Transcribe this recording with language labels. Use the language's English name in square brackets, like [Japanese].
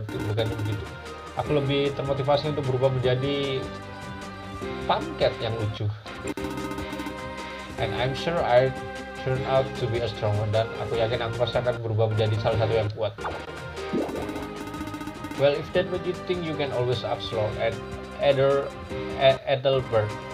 [Indonesian] Bukan begitu. Aku lebih termotivasi untuk berubah menjadi pumpkin yang lucu. [English] And I'm sure I turn out to be a strong one. [Indonesian] Dan aku yakin aku pasti akan berubah menjadi salah satu yang kuat. [English] Well, if that what you think, you can always up slow at Edelbert.